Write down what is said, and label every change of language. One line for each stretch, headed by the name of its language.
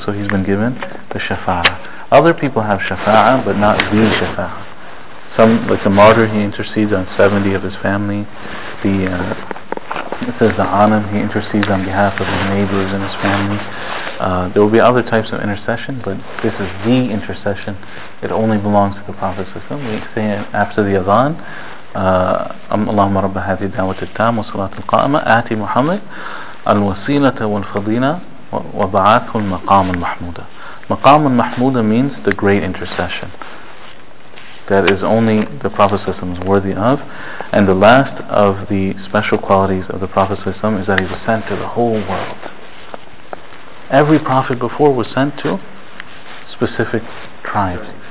English: So he's been given the shafa'a. Other people have shafa'a, but not the shafa'a. Some, like the martyr, he intercedes on 70 of his family. It says the anam, he intercedes on behalf of his neighbors and his family. There will be other types of intercession, but this is the intercession. It only belongs to the Prophet ﷺ. We say it after the adhan,
Arabic: اللهم رب هذه الدعوة التامة والصلاة القائمة آتي محمد الوسيلة والفضيلة وبعثه المقام المحمودة.
English: مقام المحمودة means the great intercession that is only the Prophet ﷺ is worthy of. And the last of the special qualities of the Prophet ﷺ is that he was sent to the whole world. Every Prophet before was sent to specific tribes.